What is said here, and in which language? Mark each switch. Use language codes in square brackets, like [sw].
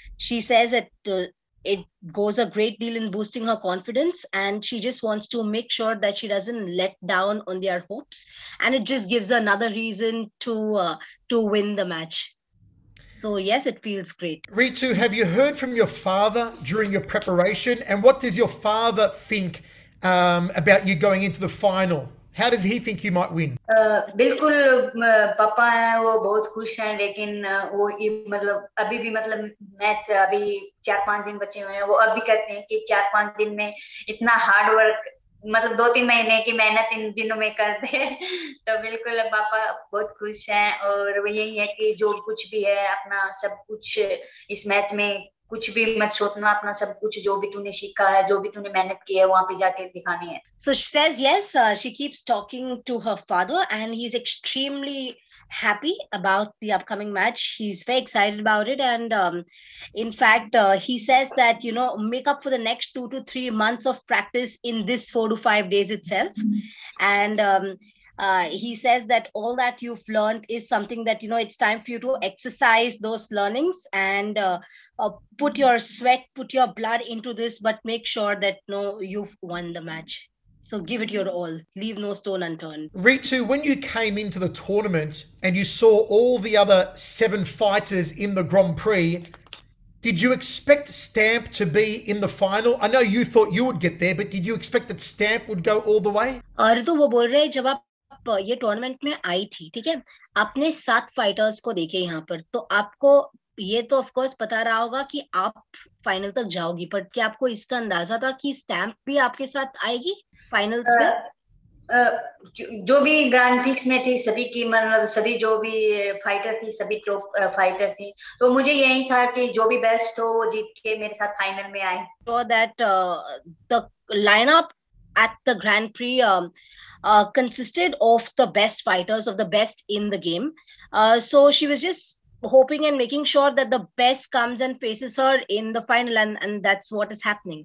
[en] She says that it goes a great deal in boosting her confidence, and she just wants to make sure that she doesn't let down on their hopes, and it just gives her another reason to win the match. So yes, it feels great. Ritu, have you heard from your father during your preparation, and what does your father think about you going into the final? How does he think you might win? [hi] बिल्कुल, पापा हैं वो बहुत खुश हैं, लेकिन वो ये मतलब अभी भी मतलब मैच अभी 4-5 दिन बचे हुए हैं, वो अभी कहते हैं कि 4-5 दिन में इतना हार्ड वर्क, मतलब 2-3 महीने की मेहनत इन दिनों में कर दे। तो बिल्कुल पापा बहुत खुश हैं, और वो यही है कि जो कुछ भी है अपना सब कुछ इस मैच में, कुछ भी मत सोचना, अपना सब कुछ जो भी तूने सीखा है, जो भी तूने मेहनत की है, वहां पे जाके दिखानी है। [en] So she says yes, she keeps talking to her father and he's extremely happy about the upcoming match. He's very excited about it, and in fact he says that make up for the next 2 to 3 months of practice in this 4 to 5 days itself. And he says that all that you've learned is something that, it's time for you to exercise those learnings and put your sweat, put your blood into this, but make sure that, you've won the match. So give it your all. Leave no stone unturned. Ritu, when you came into the tournament and you saw all the other 7 fighters in the Grand Prix, did you expect Stamp to be in the final? I know you thought you would get there, but did you expect that Stamp would go all the way? [hi] Ritu, वो बोल रहे हैं जब आप ये tournament में आई थी, ठीक है, आपने 7 फाइटर्स को देखे यहाँ पर, तो आपको ये तो ऑफ कोर्स पता रहा होगा कि आप फाइनल तक जाओगी, पर क्या आपको इसका अंदाजा था कि स्टैम्प भी आपके साथ आएगी फाइनल्स में? जो भी ग्रैंड प्रिक्स में थी सभी की, मतलब सभी जो भी फाइटर थी, सभी टॉप फाइटर थी, तो मुझे यही था कि जो भी बेस्ट हो वो जीत के मेरे साथ फाइनल में आए। [en] So that the lineup at the grand prix consisted of the best fighters, of the best in the game. So she was just hoping and making sure that the best comes and faces her in the final, and that's what is happening.